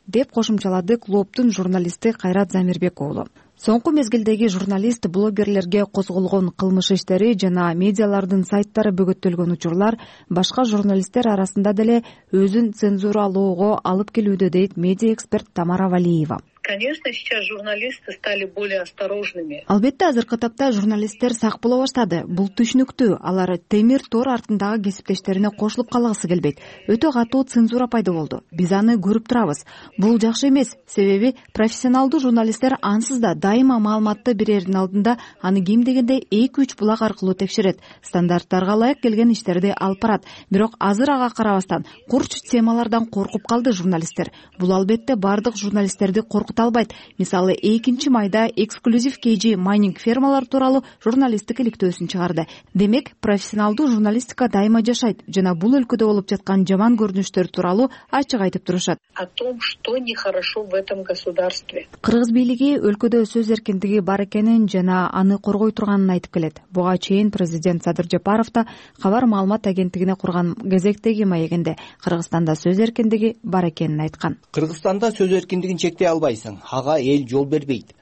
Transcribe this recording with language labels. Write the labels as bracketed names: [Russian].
[Kyrgyz] деп кошумчалады клубтун журналисти Кайрат Замирбек уулу. Соңку мезгилдеги журналист блогерлерге козголгон кылмыш иштери жана медиалардын сайттары бөгөттөлгөн учурлар башка журналисттер арасында деле өзүн цензуралоого алып келүүдө, дейт медиа эксперт Тамара Валиева. [Russian] Конечно, сейчас журналисты стали более осторожными. [Kyrgyz] Албетте, азыркы тапта журналисттер сак боло баштады. Бул түшүнүктүү. Алар темир тор артындагы кесиптештерине кошулуп калгысы келбейт. Өтө катуу цензура пайда болду. Биз аны көрүп турабыз. Бул жакшы эмес. Себеби, профессионалдуу журналисттер ансыз да дайыма маалыматты берердин алдында аны кем дегенде 2-3 булак аркылуу текшерет. Стандарттарга ылайык келген иштерди алып барат. Бирок азыр ага карабастан курч темалардан коркуп калды журналисттер. Бул албетте бардык журналисттерди коркута албайт. Мисалы, 2 майда эксклюзив KG майнинг фермалар тууралуу журналисттик иликтөөсүн чыгарды. Демек, профессионалдуу журналистика дайыма жашайт жана бул өлкөдө болуп жаткан жаман көрүнүштөр тууралуу ачык айтып турушат. [Russian] О том, что нехорошо в этом государстве. [Kyrgyz] Кыргыз бийлиги өлкөдө сөз эркиндиги бар экенин жана аны коргой турганын айтып келет. Буга чейин президент Садыр Жапаров да Кабар маалымат агенттигине курган кезектеги маегинде Кыргызстанда сөз эркиндиги бар экенин айткан. Кыргызстанда сөз эркиндигин чектей албайсың, ага эл жол бербейт.